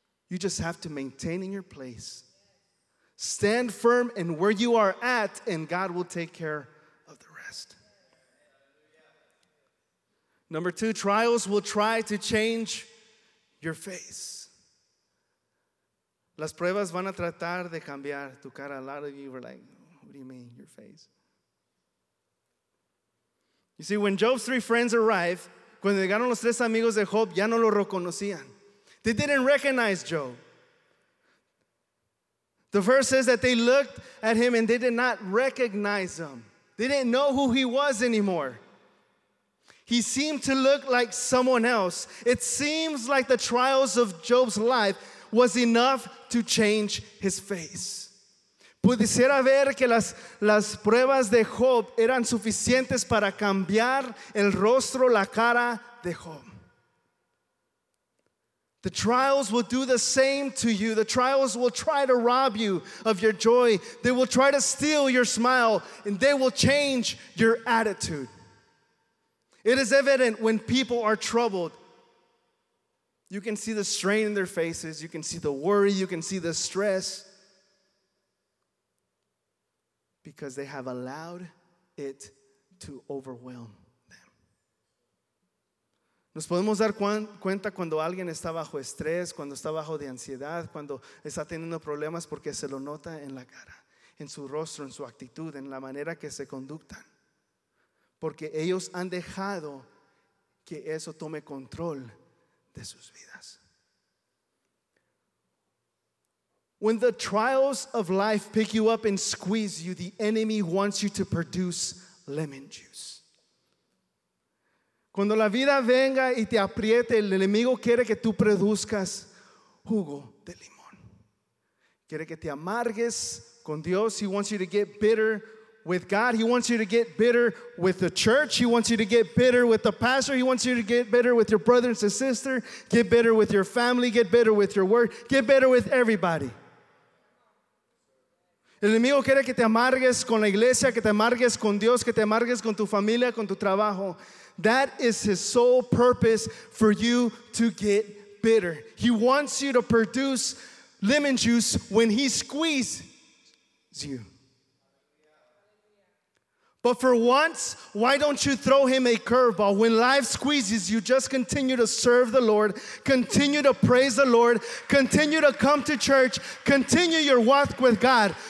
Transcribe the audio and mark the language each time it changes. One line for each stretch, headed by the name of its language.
English: You just have to maintain in your place. Stand firm in where you are at, and God will take care of the rest. Number two, trials will try to change your face.
Spanish: Las pruebas van a tratar de cambiar tu cara.
English: A lot of you were like, what do you mean, your face? You see, when Job's three friends arrive,
Spanish: cuando llegaron los tres amigos de Job, ya no lo reconocían.
English: They didn't recognize Job. The verse says that they looked at him and they did not recognize him. They didn't know who he was anymore. He seemed to look like someone else. It seems like the trials of Job's life was enough to change his face.
Spanish: Pudiera ver que las pruebas de Job eran suficientes para cambiar el rostro, la cara de Job.
English: The trials will do the same to you. The trials will try to rob you of your joy. They will try to steal your smile, and they will change your attitude. It is evident when people are troubled. You can see the strain in their faces. You can see the worry. You can see the stress. Because they have allowed it to overwhelm them.
Spanish: Nos podemos dar cuenta cuando alguien está bajo estrés, cuando está bajo de ansiedad, cuando está teniendo problemas, porque se lo nota en la cara, en su rostro, en su actitud, en la manera que se conductan. Porque ellos han dejado que eso tome control de sus vidas.
English: When the trials of life pick you up and squeeze you, the enemy wants you to produce lemon juice.
Spanish: Cuando la vida venga y te apriete, el enemigo quiere que tú produzcas jugo de limón. Quiere que te amargues con Dios.
English: He wants you to get bitter with God. He wants you to get bitter with the church. He wants you to get bitter with the pastor. He wants you to get bitter with your brothers and sisters. Get bitter with your family. Get bitter with your work. Get bitter with everybody.
Spanish: El enemigo quiere que te amargues con la iglesia, que te amargues con Dios, que te amargues con tu familia, con tu trabajo.
English: That is his sole purpose for you to get bitter. He wants you to produce lemon juice when he squeezes you. But for once, why don't you throw him a curveball? When life squeezes you, just continue to serve the Lord, continue to praise the Lord, continue to come to church, continue your walk with God.